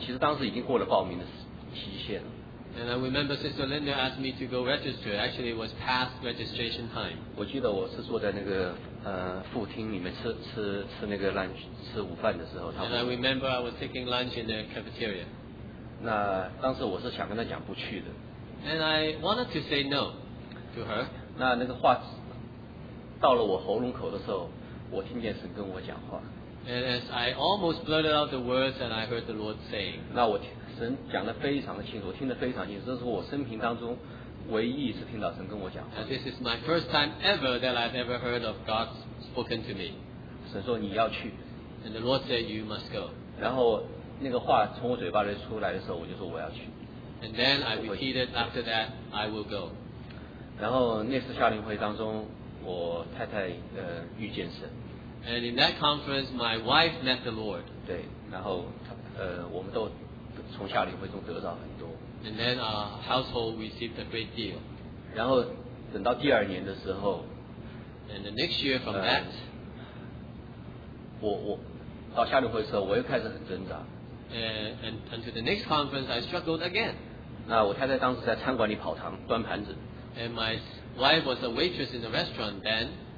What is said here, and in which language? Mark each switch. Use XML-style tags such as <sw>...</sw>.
<zh>其实当时已经过了报名的期限了。</zh> <en>And I remember Sister Linda asked me to go register. Actually, it was past registration time.</en> <zh>我记得我是坐在那个副厅里面吃那个 lunch 吃午饭的时候。</zh> <en>And I remember I was taking lunch in the cafeteria.</en> <zh>那当时我是想跟她讲不去的。</zh> <en>And I wanted to say no to her.</en> <zh>那个话到了我喉咙口的时候，我听见神跟我讲话。</zh> <en>And as I almost blurted out the words, and I heard the Lord saying.</en> <zh>那我听。神讲得非常的清楚，听得非常清楚，这是我生平当中唯一一次听到神跟我讲话。</zh> <en>This is my first time ever that I've ever heard of God spoken to me.</en> <zh>神说你要去。</zh> <en>And the Lord said you must go.</en> <zh>然后那个话从我嘴巴里出来的时候，我就说我要去。</zh> <en>And then I repeated after that I will go.</en> <zh>然后那次夏令会当中，我太太遇见神。</zh> <en>And in that conference my wife met the Lord.</en> <zh>对，然后我们都。从夏令会中得到很多。</zh> <en>And then our household received a great deal.</en> <zh>然后等到第二年的时候。</zh> <en>And the next year from that,</en> <zh>我到夏令会的时候，我又开始很挣扎。</zh> <en>And until the next conference, I struggled again.</en> <zh>那我太太当时在餐馆里跑堂端盘子。</zh> <en>And my wife was a waitress in the restaurant then.</en>